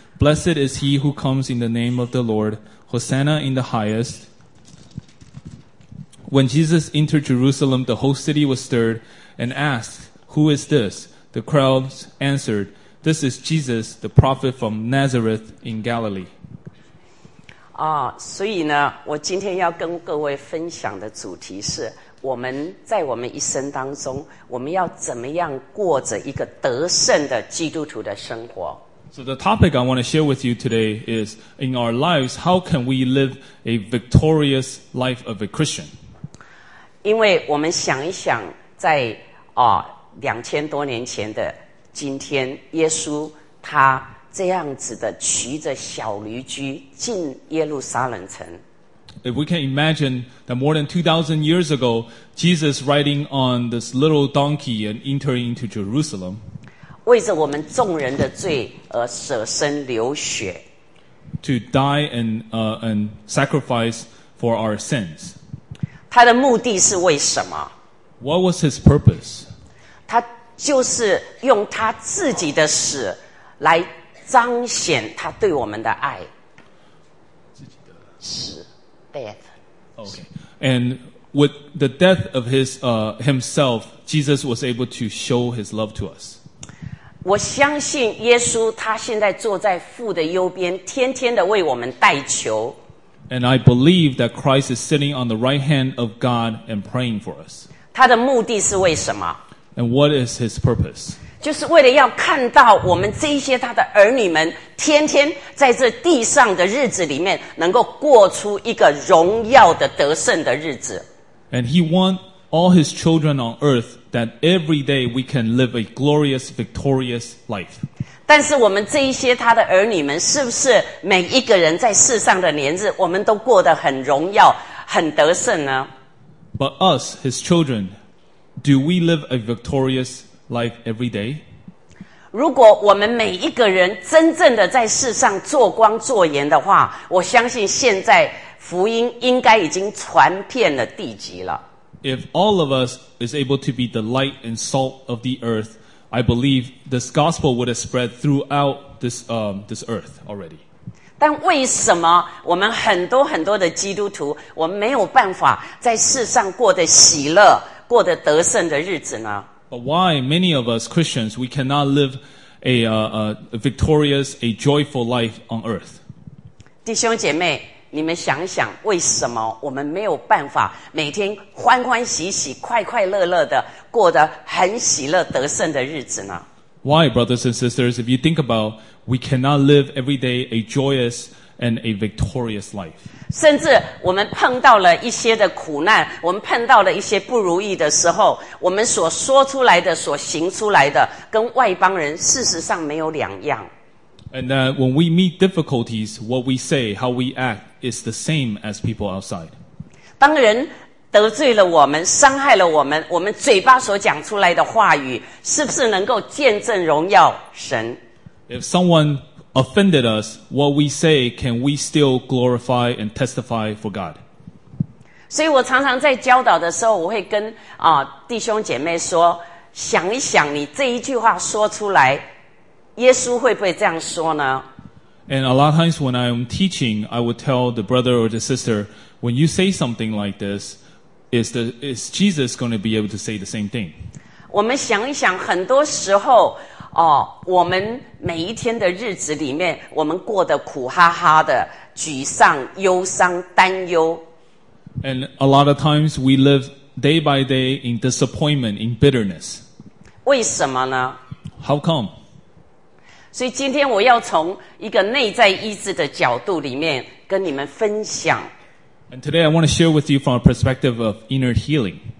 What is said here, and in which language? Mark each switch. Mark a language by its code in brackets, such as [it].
[en] Blessed is he who comes in the name of the Lord. Hosanna in the highest. When Jesus entered Jerusalem, the whole city was stirred and asked, Who is this? The crowds answered, This is Jesus, the prophet from Nazareth in Galilee. [zh] 所以呢，我今天要跟各位分享的主题是我们在我们一生当中，我们要怎么样过着一个得胜的基督徒的生活。 [en] So the topic I want to share with you today is, in our lives, how can we live a victorious life of a Christian? [zh] 因为我们想一想，在2000多年前的今天耶稣他这样子的骑着小驴驹进耶路撒冷城。 [en] If we can imagine that more than 2,000 years ago, Jesus riding on this little donkey and entering into Jerusalem, [zh] 为着我们众人的罪而舍身流血 [en] to die and sacrifice for our sins. [zh] 他的目的是为什么 [en] What was his purpose? [zh] 他就是用他自己的死来彰显他对我们的爱。自己的死。 [en] Death. Okay, and with the death of his himself, Jesus was able to show his love to us. [zh] 我相信耶稣他现在坐在父的右边，天天的为我们代求。 [en] And I believe that Christ is sitting on the right hand of God and praying for us. [zh] 他的目的是为什么？ [en] And what is his purpose? [zh] 就是为了要看到我们这些他的儿女们。天天在这地上的日子里面能够过出一个荣耀的得胜的日子。 [en] And he want all his children on earth that every day we can live a glorious, victorious life. [zh] 但是我们这一些他的儿女们是不是每一个人在世上的年日我们都过得很荣耀很得胜呢 [en] ?But us, his children, do we live a victorious life every day? [zh] 如果我们每一个人真正的在世上做光做盐的话，我相信现在福音应该已经传遍了地极了。 [en] If all of us is able to be the light and salt of the earth, I believe this gospel would have spread throughout this earth already. [zh] 但为什么我们很多很多的基督徒，我们没有办法在世上过得喜乐，过得得胜的日子呢？ [en] But why many of us Christians, we cannot live a victorious, a joyful life on earth? [zh] 弟兄姐妹，你们想想为什么我们没有办法每天欢欢喜喜、快快乐乐的过得很喜乐得胜的日子呢？ [en] Why, brothers and sisters, if you think about, we cannot live every day a joyous and a victorious life. [zh] 甚至我们碰到了一些的苦难，我们碰到了一些不如意的时候，我们所说出来的、所行出来的，跟外邦人事实上没有两样。 [en] And that when we meet difficulties, what we say, how we act, is the same as people outside. [zh] 当人得罪了我们、伤害了我们，我们嘴巴所讲出来的话语，是不是能够见证荣耀神 [en] ？If someone offended us, what we say, can we still glorify and testify for God? [zh] 所以我常常在教导的时候，我会跟弟兄姐妹说，想一想你这一句话说出来，耶稣会不会这样说呢？ [en] And a lot of times when I'm teaching, I would tell the brother or the sister, when you say something like this, is Jesus going to be able to say the same thing? [zh] 我们想一想，很多时候我们每一天的日子里面，我们过得苦哈哈的，沮丧、忧伤、担忧。 [en] And a lot of times we live day by day in disappointment, in bitterness. [zh] 为什么呢 [en] ？How come？ [zh] 所以今天我要从一个内在医治的角度里面跟你们分享。 [en] And today I want to share with you from a perspective of inner healing.